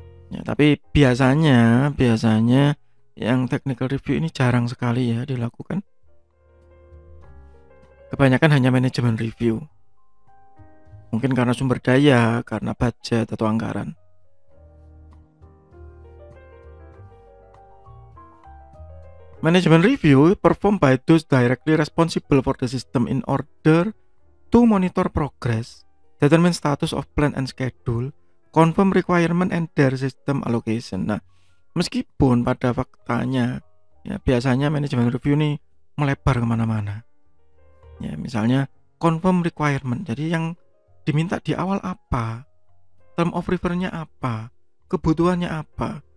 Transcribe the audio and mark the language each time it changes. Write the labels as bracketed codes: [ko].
[id] Ya, tapi biasanya yang technical review ini jarang sekali ya dilakukan. Kebanyakan hanya manajemen review. Mungkin karena sumber daya, karena budget atau anggaran. [en] Manajemen review performed by those directly responsible for the system in order to monitor progress, determine status of plan and schedule, confirm requirement and their system allocation. [id] Nah, meskipun pada faktanya, ya, biasanya manajemen review ini melebar kemana-mana. Ya, misalnya confirm requirement, jadi yang diminta di awal apa, term of refer-nya apa, kebutuhannya apa.